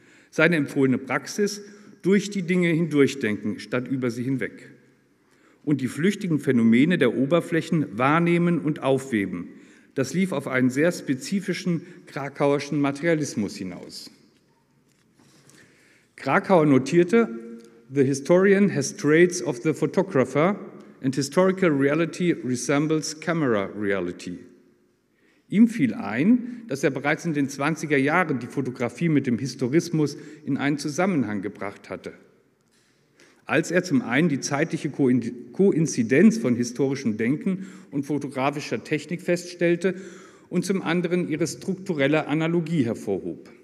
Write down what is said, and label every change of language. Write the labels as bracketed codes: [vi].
[de] Seine empfohlene Praxis: durch die Dinge hindurchdenken statt über sie hinweg. Und die flüchtigen Phänomene der Oberflächen wahrnehmen und aufweben. Das lief auf einen sehr spezifischen krakauerischen Materialismus hinaus. Krakauer notierte: [en] The historian has traits of the photographer and historical reality resembles camera reality. [de] Ihm fiel ein, dass er bereits in den 20er Jahren die Fotografie mit dem Historismus in einen Zusammenhang gebracht hatte. Als er zum einen die zeitliche Koinzidenz von historischem Denken und fotografischer Technik feststellte und zum anderen ihre strukturelle Analogie hervorhob.